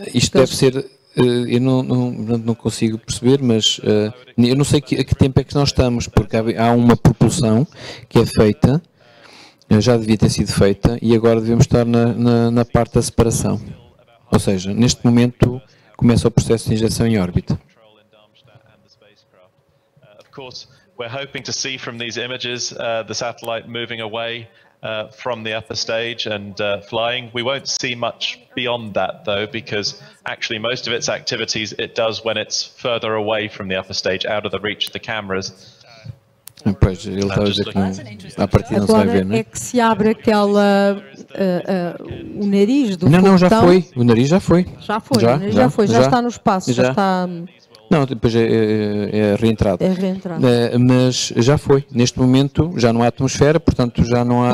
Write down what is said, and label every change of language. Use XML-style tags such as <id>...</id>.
<pt>Isto deve ser, eu não consigo perceber, mas eu não sei a que tempo é que nós estamos, porque há uma propulsão que é feita. Já devia ter sido feita e agora devemos estar na parte da separação. Ou seja, neste momento começa o processo de injeção em órbita.</pt> <en>Of course, we're hoping to see from these images the satellite moving away from the upper stage and flying. We won't see much beyond that though, because actually most of its activities it does when it's further away from the upper stage, out of the reach of the cameras.</en> <pt>Pois, ele está a dizer que à partida não agora se vai ver, não é? É que se abre aquela, o nariz do não, foguetão. Não, já foi, o nariz já foi. Já foi, já, o nariz já, já foi, já, já está no espaço, já está... Não, depois é reentrada. É reentrada. Mas já foi, neste momento já não há atmosfera, portanto já não há...</pt>